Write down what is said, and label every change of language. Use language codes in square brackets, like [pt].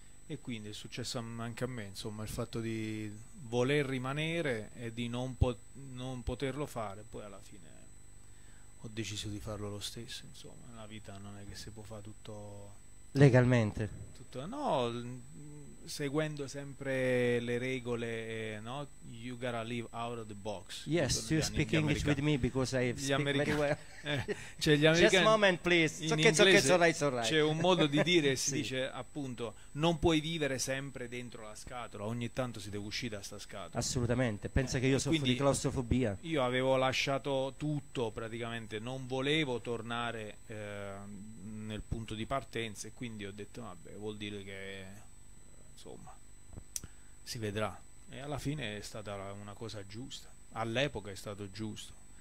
[it] E quindi è successo anche a me, insomma, il fatto di voler rimanere e di non poterlo fare, poi alla fine ho deciso di farlo lo stesso. Insomma, la vita non è che si può fare tutto Legalmente? Tutto, no, seguendo sempre le regole, no? [en] You gotta live out of the box. Yes, [it] tutto, [en] you speak English with me because I speak very well. [it] Cioè gli americani, [en] just a moment please. [it] In inglese c'è un modo di dire, si sì. Dice appunto, non puoi vivere sempre dentro la scatola, ogni tanto si deve uscire da sta scatola. Assolutamente, pensa che io soffro di claustrofobia. Io avevo lasciato tutto praticamente, non volevo tornare nel punto di partenza e quindi ho detto vabbè, vuol dire che insomma si vedrà, e alla fine è stata una cosa giusta, all'epoca è stato giusto.